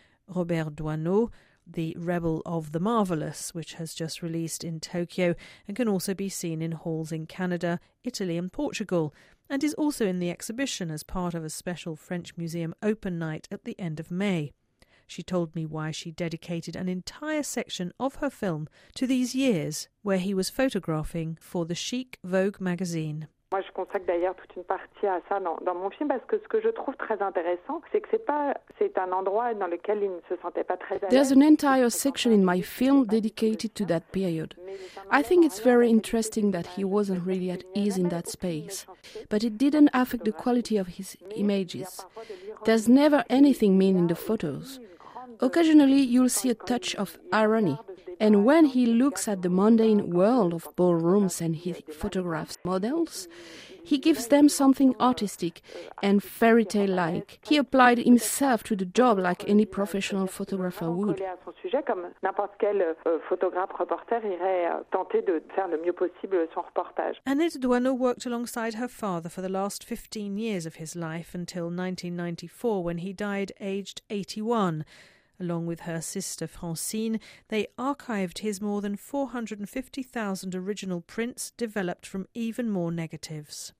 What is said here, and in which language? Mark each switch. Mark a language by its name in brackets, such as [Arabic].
[English] Robert Doisneau, The Rebel of the Marvelous, which has just released in Tokyo and can also be seen in halls in Canada, Italy and Portugal, and is also in the exhibition as part of a special French museum open night at the end of May. She told me why she dedicated an entire section of her film to these years where he was photographing for the Chic Vogue magazine. [French] Moi, je consacre d'ailleurs toute une partie à ça dans mon film parce que ce que je trouve très intéressant, c'est que c'est un endroit dans lequel il ne se sentait pas très à l'aise. [English] There's an entire section in my film dedicated to that period. I think it's very interesting that he wasn't really at ease in that space, but it didn't affect the quality of his images. There's never anything mean in the photos. Occasionally, you'll see a touch of irony. And when he looks at the mundane world of ballrooms and he photographs models, he gives them something artistic and fairy tale like. He applied himself to the job like any professional photographer would. [French] Comme n'importe quel photographe reporter irait tenter de faire le mieux possible son reportage. [English] Annette Doisneau worked alongside her father for the last 15 years of his life until 1994 when he died aged 81. Along with her sister Francine, they archived his more than 450,000 original prints developed from even more negatives.